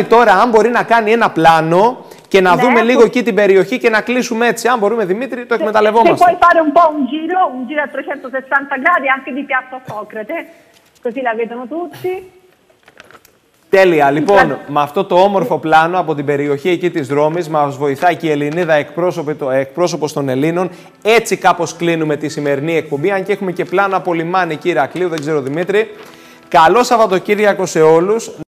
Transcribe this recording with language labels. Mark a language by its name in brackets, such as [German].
[Greek] Αν μπορεί να κάνει ένα πλάνο και να δούμε λίγο εκεί την περιοχή και να κλείσουμε έτσι, αν μπορούμε, Δημήτρη, το εκμεταλλευόμαστε. [Italian] Και puoi fare un po' un giro a 360 gradi anche di Piazza Socrate, così la vedono tutti. [Greek] Τέλεια. Λοιπόν, με αυτό το όμορφο πλάνο από την περιοχή εκεί της Ρώμης μας βοηθάει και η Ελληνίδα εκπρόσωπος των Ελλήνων. Έτσι κάπως κλείνουμε τη σημερινή εκπομπή, αν και έχουμε και πλάνο από λιμάνι Ηρακλείου, δεν ξέρω, Δημήτρη. Καλό Σαββατοκύριακο σε όλους.